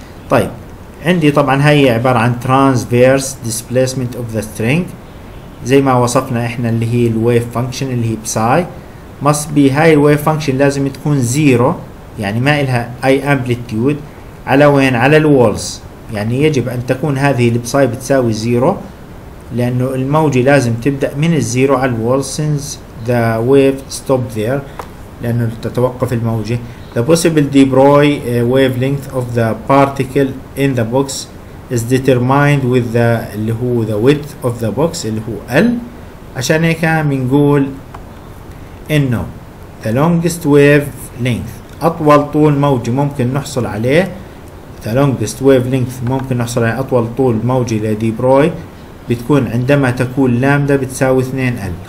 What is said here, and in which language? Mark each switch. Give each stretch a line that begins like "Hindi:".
Arabic: طيب عندي طبعا هي عبارة عن
English: transverse displacement of the string
Arabic: زي ما وصفنا احنا، اللي هي الويف فانكشن اللي هي بساي،
English: must be
Arabic: هاي الويف فانكشن لازم تكون زيرو، يعني ما الها اي امبليتيود، على وين؟ على الوولز، يعني يجب ان تكون هذه البساي بتساوي زيرو، لانه الموجة لازم تبدأ من الزيرو على الوولز،
English: since the wave stop there،
Arabic: لانه تتوقف الموجة.
English: The possible Debreu wavelength of the particle in the box is determined with the
Arabic: اللي هو
English: the width of the box اللي هو L.
Arabic: عشان هيك بنقول انه
English: the longest wavelength
Arabic: اطول طول موجة ممكن نحصل عليه، the longest wavelength ممكن نحصل عليه اطول طول موجة لديبروي بتكون عندما تكون لامدا بتساوي 2L.